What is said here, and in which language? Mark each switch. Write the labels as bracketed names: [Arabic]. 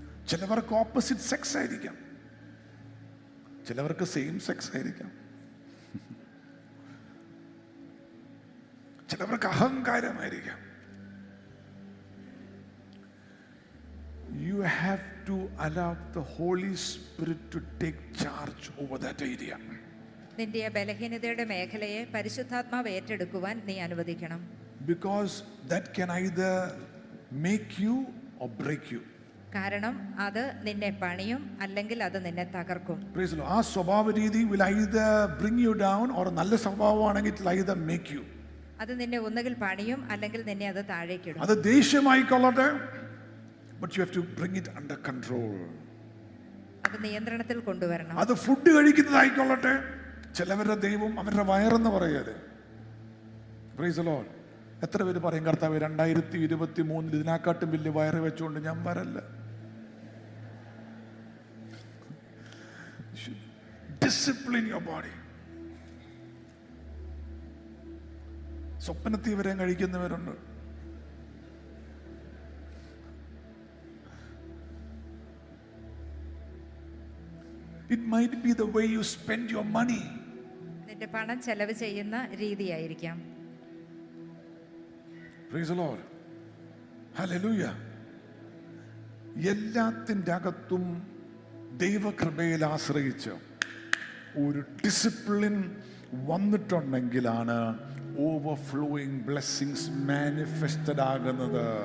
[Malayalam] ചിലവർക്ക് opposite sex ആയിരിക്കാം, ചിലവർക്ക് സെയിം സെക്സ് ആയിരിക്കാം, ചിലവർക്ക് അഹങ്കാരമായിരിക്കാം. [English] You have to allow the Holy Spirit to take charge over that area. [Malayalam] നിന്റെ ബലഹീനതയുടെ മേഖലയെ പരിശുദ്ധാത്മാവ് ഏറ്റെടുക്കുവാൻ നീ അനുവദിക്കണം. [English] Because that can either make you or break you. [Malayalam] കാരണം അത് നിന്നെ പണിയും അല്ലെങ്കിൽ അത് നിന്നെ തകർക്കും. [English] Praise the Lord. [Malayalam] ആ സ്വഭാവ രീതി [English] will either bring you down or [Malayalam] നല്ല സ്വഭാവമാണെങ്കിൽ [English] it will either make you. [Malayalam] അത് നിന്നെ ഒന്നുകിൽ പണിയും അല്ലെങ്കിൽ നിന്നെ അത് താഴേക്കിടും. അത് ദേഷ്യമായിക്കൊള്ളട്ടെ, [English] but you have to bring it under control. [Malayalam] അത് നിയന്ത്രണത്തിൽ കൊണ്ടുവരണം. അത് ഫുഡ് കഴിക്കുന്നതായിക്കൊള്ളട്ടെ, ചിലവരുടെ ദൈവം അവരുടെ വയറെന്ന് പറയരുത്. [English] Praise the Lord. [Malayalam] എത്ര പേര് പറയും, കർത്താവ് 2023 ഇതിനെക്കാട്ടും വലിയ വയറ് വെച്ചുകൊണ്ട് ഞാൻ വരല്ല. [English] Discipline your body. [Malayalam] സ്വപ്നത്തിൽ വരെ കഴിക്കുന്നവരുണ്ട്. [English] It might be the way you spend your money. [Malayalam] നിന്റെ പണം ചെലവ് ചെയ്യുന്ന രീതിയായിരിക്കാം. [English] Praise the Lord. Hallelujah. [Malayalam] എല്ലാത്തിന്റെ അകത്തും ദൈവകൃപയിൽ ആശ്രയിച്ച് ഒരു ഡിസിപ്ലിൻ വന്നിട്ടുണ്ടെങ്കിലാണ് ഓവർഫ്ലോയിങ് ബ്ലെസ്സിങ്സ് മാനിഫെസ്റ്റഡ് ആകുന്നത്.